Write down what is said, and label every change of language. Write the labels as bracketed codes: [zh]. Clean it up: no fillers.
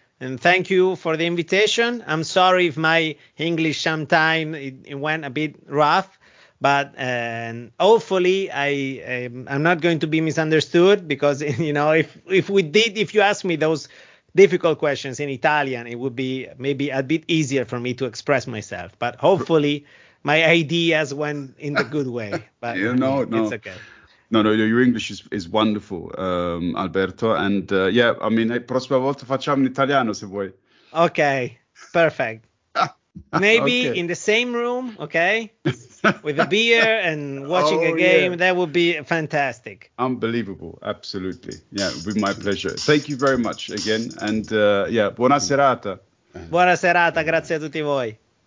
[en] And thank you for the invitation. I'm sorry if my English sometime it went a bit rough, but hopefully I'm not going to be misunderstood, because, you know, if you ask me those difficult questions in Italian, it would be maybe a bit easier for me to express myself. But hopefully my ideas went in the good way. But it's okay. No, your English is wonderful, Alberto. [it] And prossima volta facciamo in italiano, se vuoi. [en] Okay, perfect. Maybe okay. In the same room, okay, with a beer and watching a game. Yeah. That would be fantastic. Unbelievable, absolutely. Yeah, it would be my pleasure. Thank you very much again. [it] And buona serata. Buona serata, grazie a tutti voi.